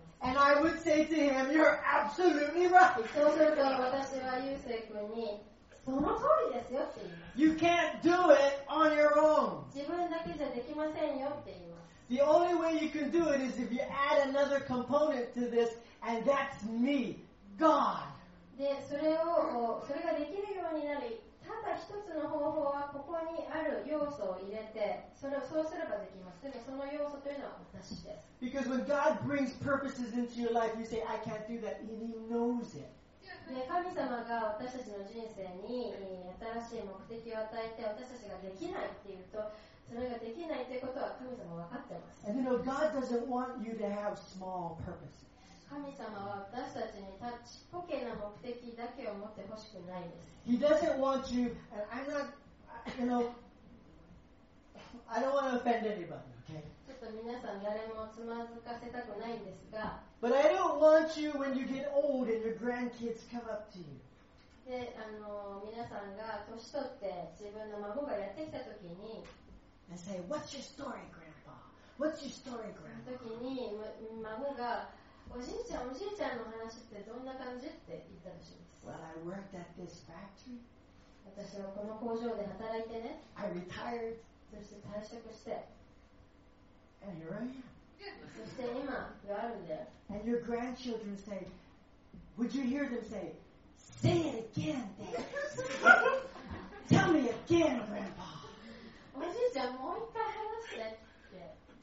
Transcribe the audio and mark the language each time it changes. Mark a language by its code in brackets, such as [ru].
[en] And I would say to him, you're absolutely right. [ja] そうすると私は Yusei 君にその通りですよって言います。 [en] You can't do it on your own. [ja] 自分だけじゃできませんよって言います。 [en] The only way you can do it is if you add another component to this, and that's me. God. [ja] で、それをそれができるようになり、ただ一つの方法はここにある要素を入れて、それをそうすればできます。でもその要素というのは私です。 [en] Because when God brings purposes into your life, you say, I can't do that. And He knows it. [ja] で、神様が私たちの人生に新しい目的を与えて、私たちができないっていうと、それができないということは神様は分かってます。 [en] And you know, God doesn't want you to have small purposes. [ja] 神様は私たちにタッチポケな目的だけを持ってほしくないです。 [en] He doesn't want you, and I'm not, you know, I don't want to offend anybody, okay? [ja] ちょっと皆さん誰もつまずかせたくないんですが。 [en] But I don't want you when you get old and your grandkids come up to you. [ja] で、皆さんが年取って自分の孫がやってきたときに。 [en] And say, what's your story, grandpa? What's your story, grandpa? [ja] ときに、孫が、おじいちゃん、おじいちゃんの話ってどんな感じって言ったらしいです。 [en] Well, I worked at this factory. [ja] 私はこの工場で働いてね。 [en] I retired. [ja] そして退職して。 [en] And here I am. [ja] そして今があるんで。 [en] And your grandchildren say, would you hear them say, say it again, Dad. Tell me again, Grandpa. [ja] おじいちゃん、もう一回話してって。